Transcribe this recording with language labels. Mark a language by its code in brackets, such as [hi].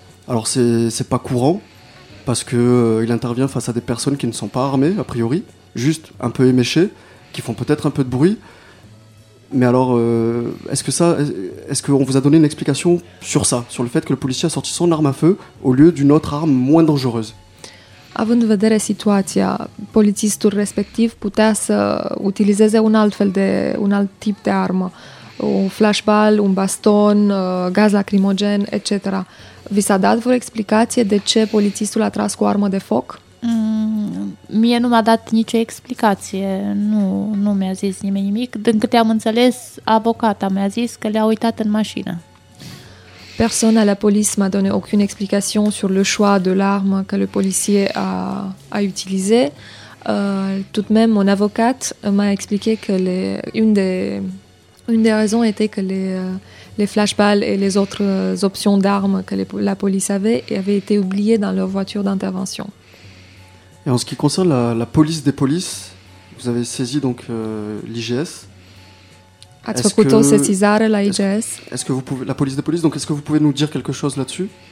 [fr] Alors, c'est pas courant, parce qu'il intervient face à des personnes qui ne sont pas armées, a priori, juste un peu éméchées, qui font peut-être un peu de bruit. Mais alors, est-ce qu'on vous a donné une explication sur ça, sur le fait que le policier a sorti son arme à feu au lieu d'une autre arme moins dangereuse? [ro] Având în vedere situația, polițistul respectiv putea să utilizeze un alt tip de armă, un flashball, un baston, gaz lacrimogen, etc. Vi s-a dat vreo explicație de ce polițistul a tras cu armă de foc? Mie nu m-a dat nicio explicație, nu mi-a zis nimeni nimic. Din câte am înțeles, avocata mi-a zis că le-a uitat în mașină. [fr] Personne à la police m'a donné aucune explication sur le choix de l'arme que le policier a utilisé. Tout de même, mon avocate m'a expliqué que une des raisons était que les flashballs et les autres options d'armes que la police avait été oubliées dans leur voiture d'intervention. Et en ce qui concerne la police des polices, vous avez saisi donc l'IGS. [ro] Ați făcut o sesizare la IGS? [fr] Est-ce que vous pouvez, la police des polices, donc est-ce que vous pouvez nous dire quelque chose là-dessus?